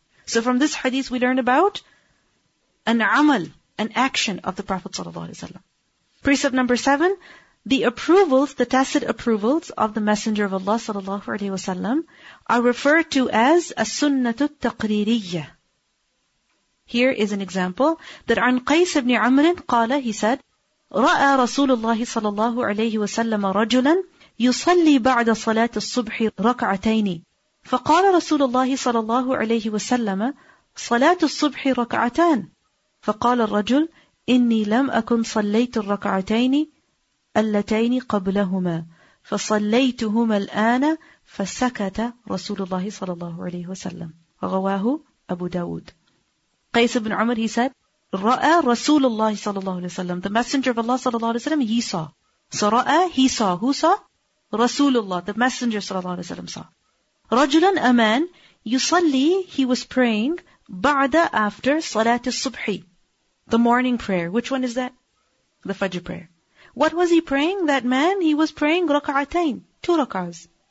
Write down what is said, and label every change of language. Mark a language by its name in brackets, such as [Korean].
[English] So from this hadith we learn about an amal, an action of the Prophet ﷺ. Precept number 7, the approvals, the tacit approvals of the Messenger of Allah ﷺ are referred to as as-sunnatu taqririyyah. Here is an example, that [Arabic] عن قيس بن عمرو قال, [English] he said, [Arabic] رأى رسول الله صلى الله عليه وسلم رجلا يصلي بعد صلاة الصبح ركعتين. فقال رسول الله صلى الله عليه وسلم صلاة الصبح ركعتان. فقال الرجل إني لم أكن صليت الركعتين اللتين قبلهما فصليتهما الآن. فسكت رسول الله صلى الله عليه وسلم. رواه أبو داود. قيس بن عمر [English] he said [Arabic] رأى رسول الله صلى الله عليه وسلم, [English] the messenger of Allah [Arabic] صلى الله عليه وسلم, [English] he saw. So [Arabic] رأى, [English] he saw. Who saw? Rasulullah, the messenger [Arabic] صلى الله عليه وسلم [English] saw. [Arabic] رجلا, [English] a man, [Arabic] يصلي, [English] he was praying, [Arabic] بعد, [English] after, [Arabic] صلاة الصبح, [English] the morning prayer. Which one is that? The Fajr prayer. What was he praying, that man? He was praying rak'atayn, two rak'ahs.